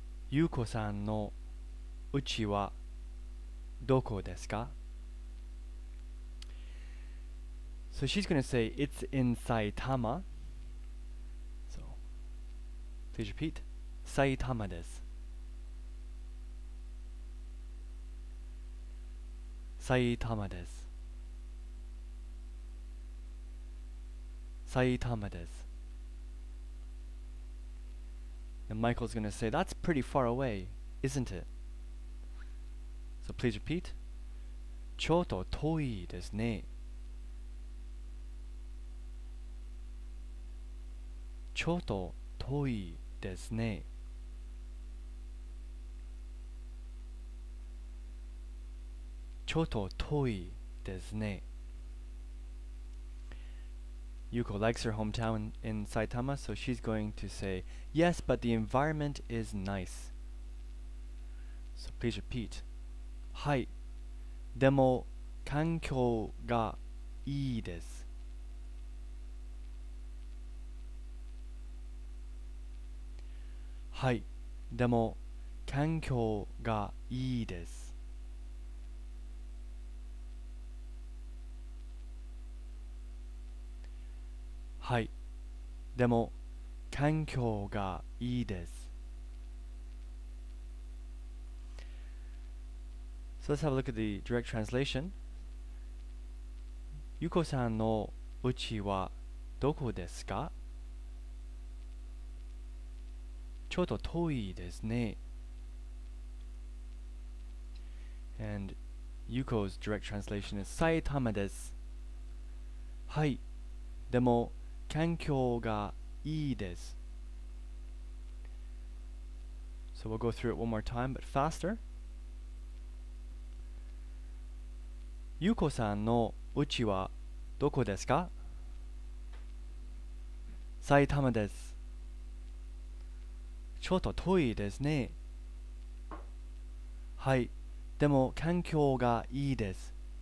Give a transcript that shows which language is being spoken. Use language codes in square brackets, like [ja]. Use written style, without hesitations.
[ja] ゆうこさんのうちはどこですか? [en] So she's going to say, it's in Saitama. So, please repeat, [ja] Saitama です。 Saitama です。Saitama です。 [en] And Michael's going to say, that's pretty far away, isn't it? So please repeat. [ja] ちょっと遠いですね。ちょっと遠いですね。ちょっと遠いですね。 [en] Yuko likes her hometown in Saitama, so she's going to say, yes, but the environment is nice. So please repeat. [ja] はい、でも環境がいいです。はい、でも環境がいいです。はい、でも環境がいいです。 [en] So let's have a look at the direct translation. [ja] ゆこさんのうちはどこですか? ちょっと遠いですね。 [en] And Yuko's direct translation is [ja] 埼玉です。はい、でも環境がいいです。 [en] So we'll go through it one more time, but faster. [ja] ゆうこさんのうちはどこですか? 埼玉です。ちょっと遠いですね。はい、でも環境がいいです。